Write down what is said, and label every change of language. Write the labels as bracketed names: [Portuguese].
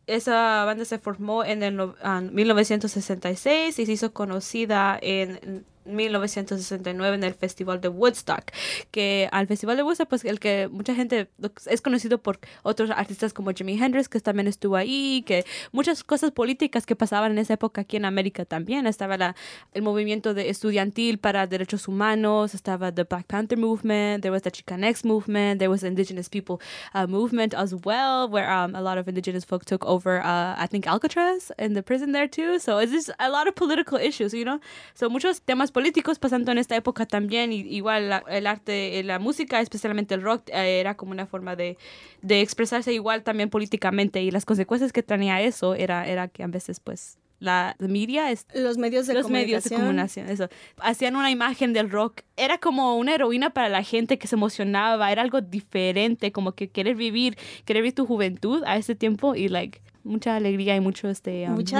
[Spanish] Esa banda se formó en el 1966 y se hizo conocida en 1969 en el Festival de Woodstock, que al Festival de Woodstock, pues el que mucha gente es conocido por otros artistas como Jimi Hendrix, que también estuvo ahí, que muchas cosas políticas que pasaban en esa época aquí en América también. Estaba el movimiento de estudiantil para derechos humanos, [English] estaba the Black Panther Movement, there was the Chicanx Movement, there was the Indigenous People Movement as well, where a lot of indigenous folk took over, I think, Alcatraz in the prison there too. So it's just a lot of political issues, you know? [Spanish] So muchos temas políticos pasando en esta época también. Igual el arte, la música, especialmente el rock, era como una forma de expresarse igual también políticamente, y las consecuencias que tenía eso era que a veces, pues, la media, los medios de los comunicación, medios de comunicación, eso, hacían una imagen del rock, era como una heroína para la gente que se emocionaba, era algo diferente, como que querer vivir tu juventud a ese tiempo, y like mucha alegría y mucho mucha